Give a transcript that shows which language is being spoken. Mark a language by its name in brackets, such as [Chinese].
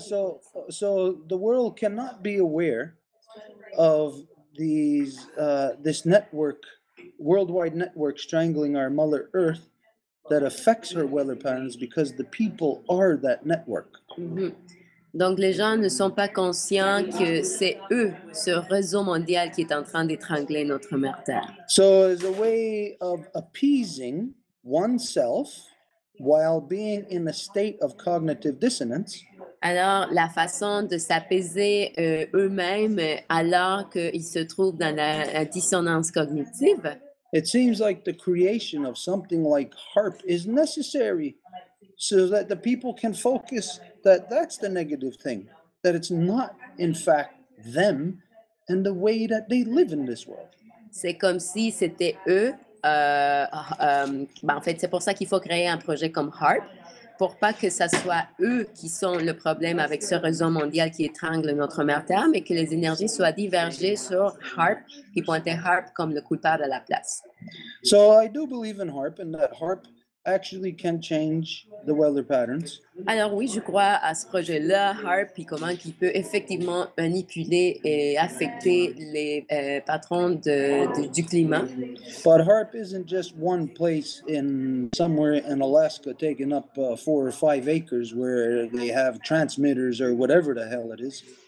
[English] So the world cannot be aware of these this network, worldwide network strangling our Mother Earth, that affects her weather patterns because the people are that network. Mm-hmm. [French] Donc les gens ne sont pas conscients que c'est eux, ce réseau mondial qui est en train d'étrangler notre Mère Terre. [English] So as a way of appeasing oneself while being in a state of cognitive dissonance. [French] Alors la façon de s'apaiser eux-mêmes alors qu'ils se trouvent dans la dissonance cognitive. [English] It seems like the creation of something like HARP is necessary so that the people can focus. That's the negative thing, that it's not in fact them and the way that they live in this world. [French] C'est comme si c'était eux. En fait, c'est pour ça qu'il faut créer un projet comme HARP, pour pas que ça soit eux qui sont le problème avec ce réseau mondial qui étrangle notre mère Terre, mais que les énergies soient divergées sur HARP, qui pointait HARP comme le coupable à la place. [English] So I do believe in HARP and that HARP actually can change the weather patterns. [French] Alors oui, je crois à ce projet-là, HARP, et comment qu'il peut effectivement manipuler et affecter les patrons du climat. [English] But HARP isn't just one place in somewhere in Alaska taking up 4 or 5 acres where they have transmitters or whatever the hell it is.